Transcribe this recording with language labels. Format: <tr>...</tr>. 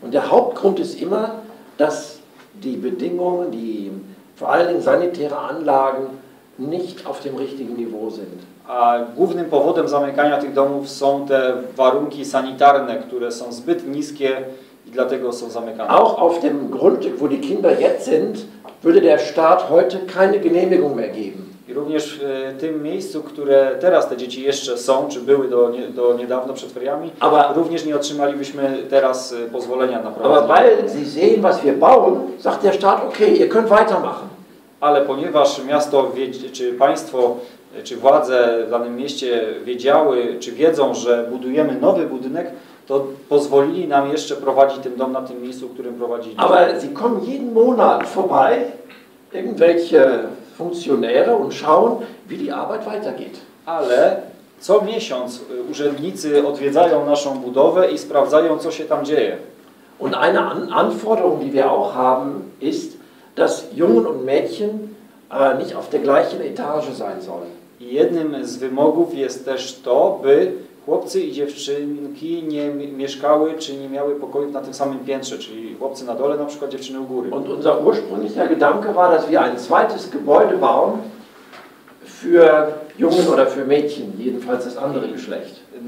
<de>Und der Hauptgrund ist immer, dass die Bedingungen, die vor allen Dingen sanitäre Anlagen nicht auf dem richtigen Niveau sind.</de> <pl>A głównym powodem zamykania tych domów są te warunki sanitarne, które są zbyt niskie i dlatego są zamykane.</pl> <de>Auch auf dem Grund, wo die Kinder jetzt sind, würde der Staat heute keine Genehmigung mehr geben.</de> <pl>I również w tym miejscu, które teraz te dzieci jeszcze są, czy były do niedawno przed feriami,</pl> <de>aber,</de> <pl>również nie otrzymalibyśmy teraz pozwolenia na prowadzenie.</pl> <de>Aber weil sie sehen, was wir bauen, sagt der Staat, okay, ihr könnt weitermachen.</de> <pl>Ale ponieważ miasto, czy państwo, czy władze w danym mieście wiedziały, czy wiedzą, że budujemy nowy budynek, to pozwolili nam jeszcze prowadzić ten dom na tym miejscu, w którym prowadzili.</pl> <de>Aber sie kommen jeden Monat vorbei, irgendwelche funkcjonäre und schauen, wie die Arbeit weitergeht.</de> <pl>Ale co miesiąc urzędnicy odwiedzają naszą budowę i sprawdzają, co się tam dzieje.</pl> <de>Und eine Anforderung, die wir auch haben, ist, dass Jungen und Mädchen nicht auf der gleichen Etage sein sollen.</de> <pl>I jednym z wymogów jest też to, by chłopcy i dziewczynki nie mieszkały czy nie miały pokoju na tym samym piętrze, czyli chłopcy na dole, na przykład dziewczyny u góry.</pl> <de>Und unser ursprünglicher Gedanke war, dass wir ein zweites Gebäude bauen für Jungen oder für Mädchen, jedenfalls das andere Geschlecht.</de>